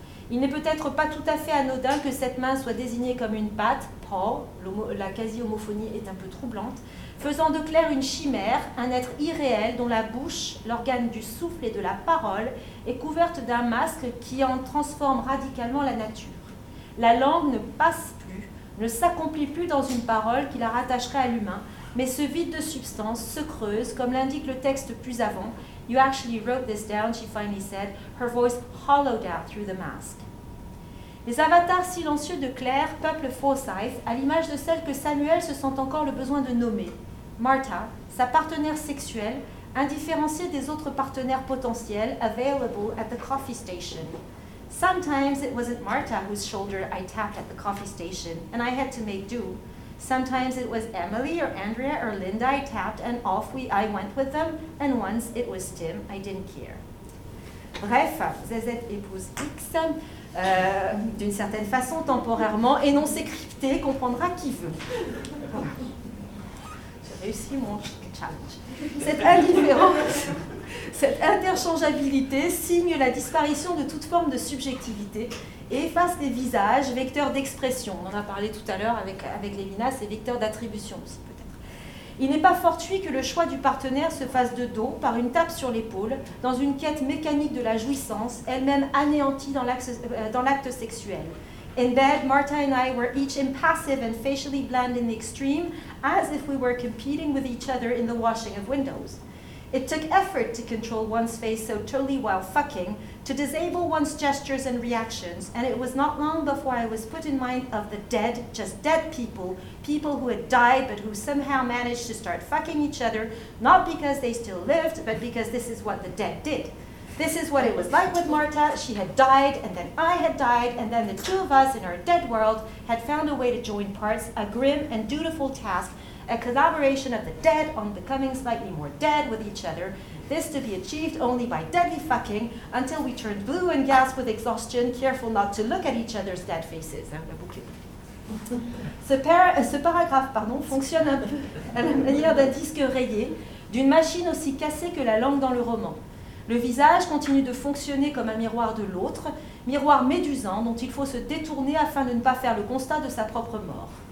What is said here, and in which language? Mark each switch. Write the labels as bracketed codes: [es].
[fr] Il n'est peut-être pas tout à fait anodin que cette main soit désignée comme une patte, paw, la quasi-homophonie est un peu troublante, faisant de Claire une chimère, un être irréel dont la bouche, l'organe du souffle et de la parole, est couverte d'un masque qui en transforme radicalement la nature. La langue ne passe plus, ne s'accomplit plus dans une parole qui la rattacherait à l'humain, mais se vide de substance, se creuse, comme l'indique le texte plus avant. [en] « You actually wrote this down », she finally said, « her voice hollowed out through the mask ». [fr] Les avatars silencieux de Claire peuplent Forsyth à l'image de celle que Samuel se sent encore le besoin de nommer. Martha, sa partenaire sexuelle, indifférenciée des autres partenaires potentiels « [en] available at the coffee station ». Sometimes it wasn't Martha whose shoulder I tapped at the coffee station, and I had to make do. Sometimes it was Emily or Andrea or Linda I tapped, and off I went with them. And once it was Tim, I didn't care. [fr] Bref, ZZ épouse X, d'une certaine façon, temporairement, et non scriptée, comprendra qui veut. J'ai réussi mon challenge. Cette indifférence. Cette interchangeabilité signe la disparition de toute forme de subjectivité et efface les visages, vecteurs d'expression. On en a parlé tout à l'heure avec Lévinas, et vecteurs d'attribution aussi peut-être. Il n'est pas fortuit que le choix du partenaire se fasse de dos, par une tape sur l'épaule, dans une quête mécanique de la jouissance, elle-même anéantie dans l'acte sexuel. [en] In bed, Martha and I were each impassive and facially bland in the extreme, as if we were competing with each other in the washing of windows. It took effort to control one's face so totally while fucking, to disable one's gestures and reactions, and it was not long before I was put in mind of the dead, just dead people, people who had died but who somehow managed to start fucking each other, not because they still lived, but because this is what the dead did. This is what it was like with Martha. She had died, and then I had died, and then the two of us in our dead world had found a way to join parts, a grim and dutiful task, a collaboration of the dead on becoming slightly more dead with each other, this to be achieved only by deadly fucking, until we turned blue and gasped with exhaustion, careful not to look at each other's dead faces. [fr] Ce paragraphe fonctionne un peu à la manière d'un disque rayé, d'une machine aussi cassée que la langue dans le roman. Le visage continue de fonctionner comme un miroir de l'autre, miroir médusant dont il faut se détourner afin de ne pas faire le constat de sa propre mort.